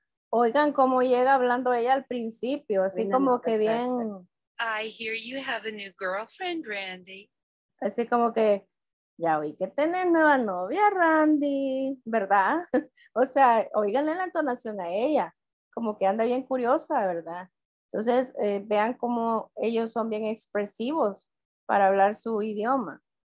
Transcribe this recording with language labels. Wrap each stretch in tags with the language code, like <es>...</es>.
<es>Oigan cómo llega hablando ella al principio, así como que bien.</es> <en>I hear you have a new girlfriend, Randy.</en> <es>Así como que ya vi que tenés nueva novia, Randy, ¿verdad? O sea, oíganle la entonación a ella, como que anda bien curiosa, ¿verdad? Entonces, vean cómo ellos son bien expresivos para hablar su idioma.</es>